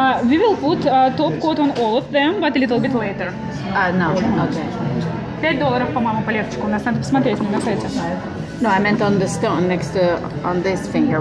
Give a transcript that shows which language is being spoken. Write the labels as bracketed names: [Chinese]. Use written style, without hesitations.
[English] We will put a top coat on all of them, but a little bit later. No, okay. [Russian] $5, по-моему, полегчику. У нас надо посмотреть на сайте. [English] No, I meant on the stone next to on this finger.